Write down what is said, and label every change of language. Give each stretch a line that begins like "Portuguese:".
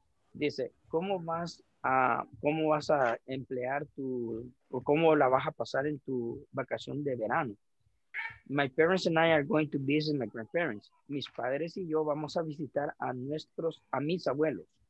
Spanish: Dice, ¿cómo vas a emplear tu, o cómo la vas a pasar en tu vacación de verano?
English: My parents and I are going to visit my grandparents.
Spanish: Mis padres y yo vamos a visitar a nuestros, a mis abuelos.